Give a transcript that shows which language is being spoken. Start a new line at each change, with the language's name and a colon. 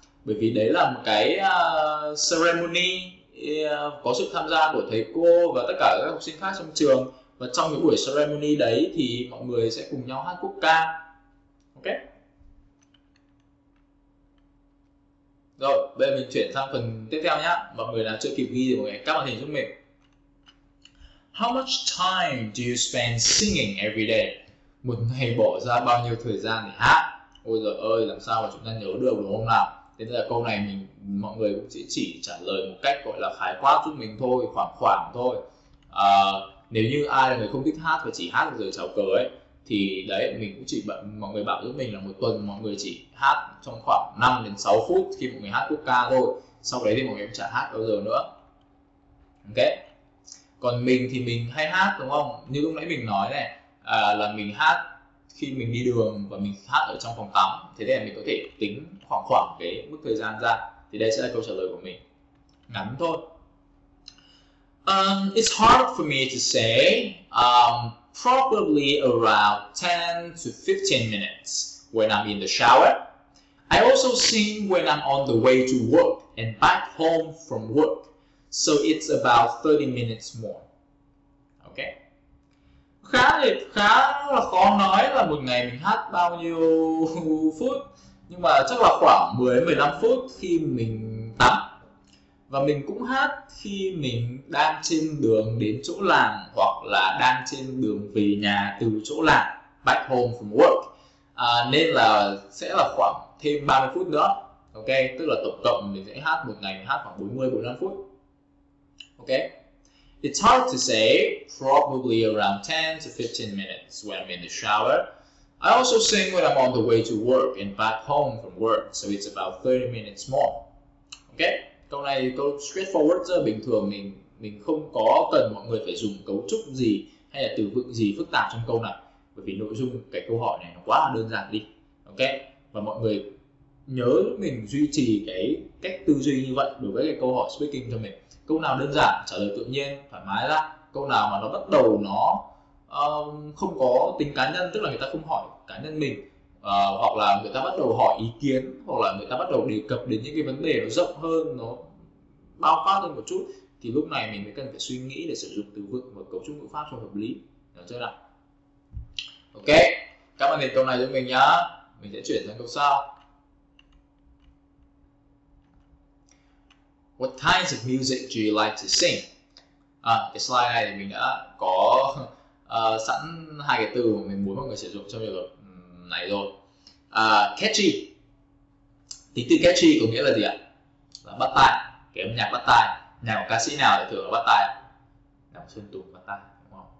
Vietnamese: Bởi vì đấy là một cái ceremony có sự tham gia của thầy cô và tất cả các học sinh khác trong trường. Và trong cái buổi ceremony đấy thì mọi người sẽ cùng nhau hát quốc ca. Ok, rồi bây giờ mình chuyển sang phần tiếp theo nhé. Mọi người nào chưa kịp ghi thì mọi người cắt màn hình giúp mình.
English: How much time do you spend singing every day?
Vietnamese: Một ngày bỏ ra bao nhiêu thời gian để hát? Ôi giời ơi, làm sao mà chúng ta nhớ được đúng không nào? Thế nên là câu này mình, mọi người cũng chỉ trả lời một cách gọi là khái quát giúp mình thôi, khoảng thôi. Nếu như ai là người không thích hát và chỉ hát giờ chào cờ ấy, thì đấy, mình cũng chỉ bận, mọi người bảo giúp mình là một tuần mọi người chỉ hát trong khoảng 5 đến 6 phút khi mọi người hát quốc ca thôi. Sau đấy thì mọi người cũng chả hát bao giờ nữa. Ok, còn mình thì mình hay hát đúng không? Như lúc nãy mình nói này, là mình hát khi mình đi đường và mình hát ở trong phòng tắm, thế nên mình có thể tính khoảng khoảng cái mức thời gian ra. Thì đây sẽ là câu trả lời của mình, ngắn thôi.
English: It's hard for me to say, probably around 10 to 15 minutes when I'm in the shower. I also sing when I'm on the way to work and back home from work. So it's about 30 minutes more. Okay.
Vietnamese: Khá là khó nói là một ngày mình hát bao nhiêu phút. Nhưng mà chắc là khoảng 10-15 phút khi mình tắm. Và mình cũng hát khi mình đang trên đường đến chỗ làm hoặc là đang trên đường về nhà từ chỗ làm,
English: back home from work.
Vietnamese: Nên là sẽ là khoảng thêm 30 phút nữa. Ok, tức là tổng cộng mình sẽ hát một ngày hát khoảng 40-45 phút. Ok.
English: It's hard to say, probably around 10 to 15 minutes when I'm in the shower. I also sing when I'm on the way to work and back home from work, so it's about 30 minutes more.
Vietnamese: Ok, câu này câu straightforward, rất bình thường, mình không có cần mọi người phải dùng cấu trúc gì hay là từ vựng gì phức tạp trong câu này, bởi vì nội dung cái câu hỏi này nó quá là đơn giản đi. Ok, và mọi người nhớ mình duy trì cái cách tư duy như vậy đối với cái câu hỏi speaking cho mình. Câu nào đơn giản, trả lời tự nhiên, thoải mái ra. Câu nào mà nó bắt đầu nó không có tính cá nhân, tức là người ta không hỏi cá nhân mình, hoặc là người ta bắt đầu hỏi ý kiến, hoặc là người ta bắt đầu đề cập đến những cái vấn đề nó rộng hơn, nó bao quát hơn một chút, thì lúc này mình mới cần phải suy nghĩ để sử dụng từ vựng và cấu trúc ngữ pháp cho hợp lý. Được chưa nào? Ok, các bạn nhìn câu này giúp mình nhá. Mình sẽ chuyển sang câu sau. What kinds of music do you like to sing? Cái slide này thì mình đã có sẵn hai cái từ mà mình muốn mọi người sử dụng trong trường hợp này rồi. Catchy. Thì từ catchy có nghĩa là gì ạ? Là bắt tai, cái âm nhạc bắt tai. Nhà của ca sĩ nào thì thường là bắt tai. Nhạc Sơn Tùng bắt tai, đúng không?